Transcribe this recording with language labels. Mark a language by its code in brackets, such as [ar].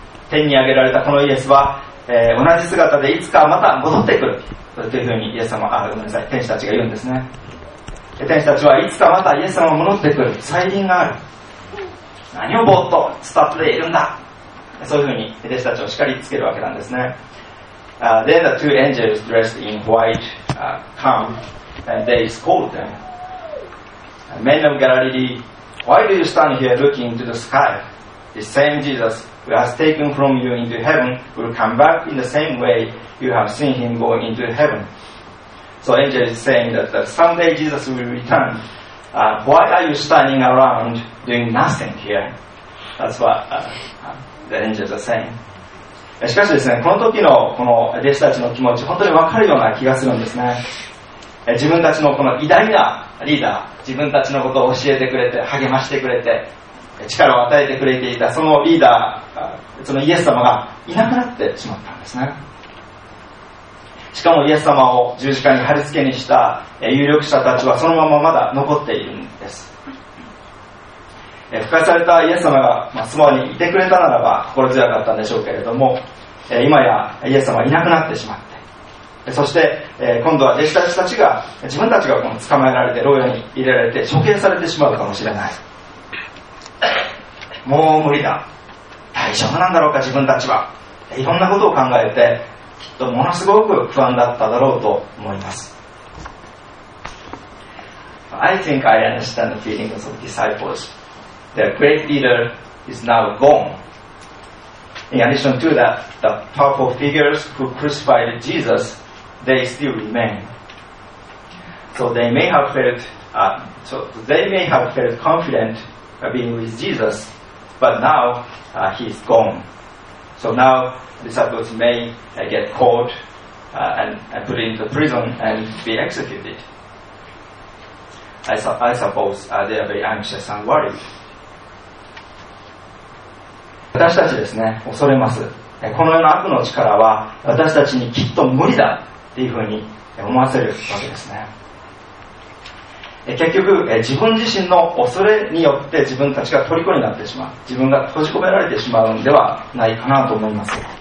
[ja] 天に上げられたこのイエスは、同じ姿でいつかまた戻ってくる。というふうにイエス様、天使たちが言うんですね。天使たちはいつかまたイエス様が戻ってくる。再臨がある。何をぼーっと伝っているんだ。そういうふうに弟子たちを叱りつけるわけなんですね。 [en] Then the two angels dressed in white come and they scold them. Men of Galilee, why do you stand here looking into the sky? The same Jesus who has taken from you into heaven will come back in the same way you have seen him go into heaven. So angel is saying that, that someday Jesus will return. Why are you standing around doing nothing here? That's what the angels are saying. [ja] しかしですね、この時のこの弟子たちの気持ち、本当に分かるような気がするんですね。自分たちのこの偉大なリーダー、自分たちのことを教えてくれて、励ましてくれて、力を与えてくれていたそのリーダー、そのイエス様がいなくなってしまったんですね。しかもイエス様を十字架に貼り付けにした有力者たちはそのまままだ残っているんです。復活されたイエス様が、まあ、スモアにいてくれたならば心強かったんでしょうけれども、今やイエス様いなくなってしまって、そして今度は弟子たちたちが自分たちがこの捕まえられて牢屋に入れられて処刑されてしまうかもしれない。もう無理だ、大丈夫なんだろうか自分たちは、いろんなことを考えてきっとものすごく不安だっただろうと思います。 [en] I think I understand the feelings of disciples. Their great leader is now gone. In addition to that, the powerful figures who crucified Jesus, they still remain. So they may have felt, confident being with Jesus, but now he's gone. So now disciples may get caught and put into prison and be executed. I suppose they are very anxious and worried. [ja] 私たちですね、恐れます。このような悪の力は私たちにきっと無理だっていうふうに思わせるわけですね。結局自分自身の恐れによって自分たちが虜になってしまう、自分が閉じ込められてしまうんではないかなと思います。